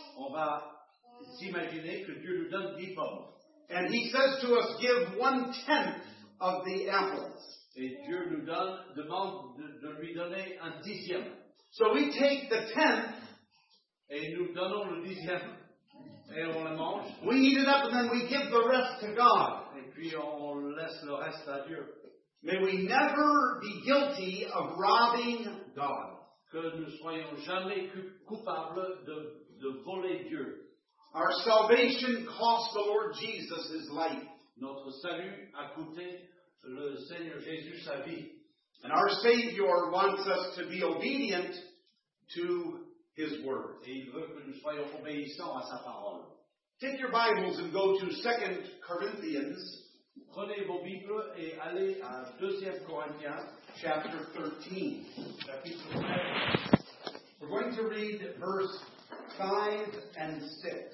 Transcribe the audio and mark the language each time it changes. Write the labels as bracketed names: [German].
[French] On va s'imaginer que Dieu nous donne 10 pommes. [English] And he says to us, give one tenth of the apples. [French] Et Dieu nous demande de lui donner un dixième. [English] So we take the tenth. [French] Et nous donnons le dixième. Et on le mange. [English] We eat it up and then we give the rest to God. [French] Et puis on laisse le reste à Dieu. [English] May we never be guilty of robbing God. [French] Que nous soyons jamais coupables de voler Dieu. [English] Our salvation cost the Lord Jesus his life. [French] Notre salut a coûté le Seigneur Jésus sa vie. [English] And our Savior wants us to be obedient to his word. [French] Et il veut que nous soyons obéissants à sa parole. [English] Take your Bibles and go to 2 Corinthians. [French] Prenez vos Bibles et allez à 2 Corinthiens, [English] chapter 13. [French] Chapitre [English] 13. We're going to read verse 5 and 6.